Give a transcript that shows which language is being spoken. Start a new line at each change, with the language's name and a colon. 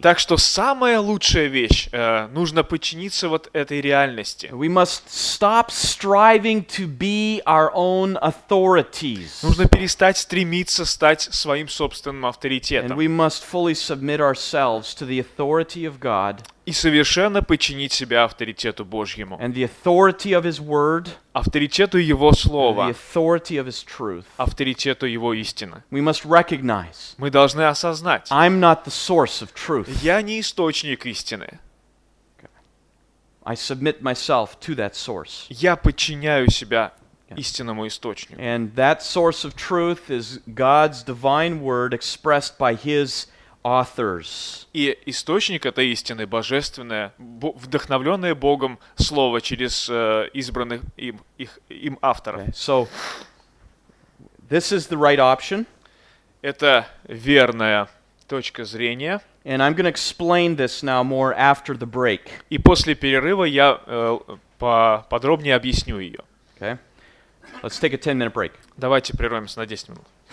Russian: Так что самая лучшая вещь нужно подчиниться вот этой реальности.
English: We must stop striving to be our own authorities.
Russian: Нужно перестать стремиться стать своим собственным авторитетом.
English: And we must fully submit ourselves to the authority of God.
Russian: И совершенно подчинить себя авторитету Божьему.
English: And the authority of His word.
Russian: Авторитету Его Слова.
English: The authority of His truth.
Russian: Авторитету Его истины.
English: We must recognize.
Russian: Мы должны осознать.
English: I'm not the source of truth.
Russian: Я не источник истины.
English: I submit myself to that source.
Russian: Я подчиняю себя истинному источнику.
English: And that source of truth is God's divine word expressed by His authors.
Russian: И источник этой истины божественное, вдохновленное Богом слово через избранных им авторов.
English: Okay. So this is the right option.
Russian: Это верная точка зрения.
English: And I'm going to explain this now more after the break.
Russian: И после перерыва я подробнее объясню ее.
English: Okay. Let's take a 10-minute break.
Russian: Давайте прервемся на 10 минут.